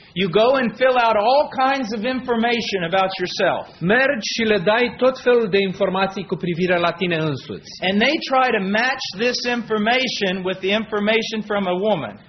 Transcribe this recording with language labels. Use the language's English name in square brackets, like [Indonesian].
[English] You go and fill out all kinds of information about yourself. [Romanian] Mergi și le dai tot felul de informații cu privire la tine însuți. [English] And they try to match this information with the information from a woman.